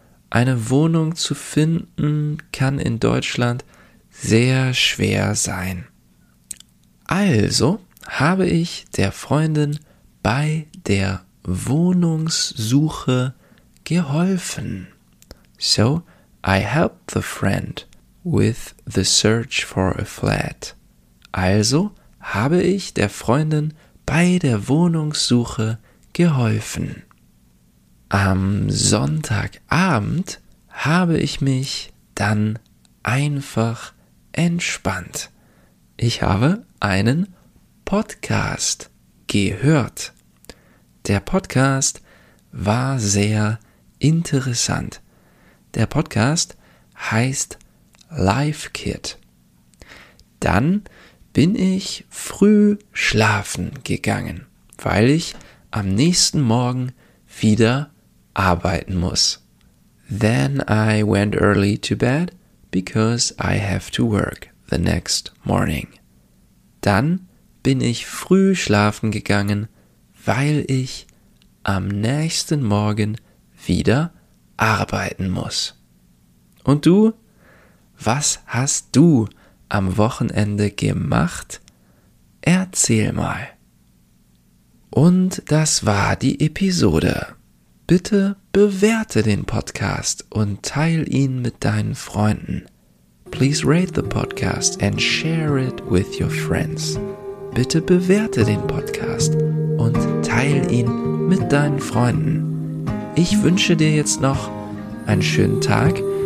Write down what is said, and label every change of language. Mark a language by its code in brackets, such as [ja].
[de] Eine Wohnung zu finden kann in Deutschland sehr schwer sein. Also habe ich der Freundin bei der Wohnungssuche geholfen. [en] So, I helped the friend with the search for a flat. [de] Also habe ich der Freundin bei der Wohnungssuche geholfen. Am Sonntagabend habe ich mich dann einfach entspannt. Ich habe einen Podcast gehört. Der Podcast war sehr interessant. Der Podcast heißt Life Kit. Dann bin ich früh schlafen gegangen, weil ich am nächsten Morgen wieder arbeiten muss. [en] Then I went early to bed because I have to work the next morning. [de] Dann bin ich früh schlafen gegangen, weil ich am nächsten Morgen wieder arbeiten muss. Und du? Was hast du am Wochenende gemacht? Erzähl mal. Und das war die Episode. Bitte bewerte den Podcast und teil ihn mit deinen Freunden. [en] Please rate the podcast and share it with your friends. [de] Bitte bewerte den Podcast und teil ihn mit deinen Freunden. Ich wünsche dir jetzt noch einen schönen Tag.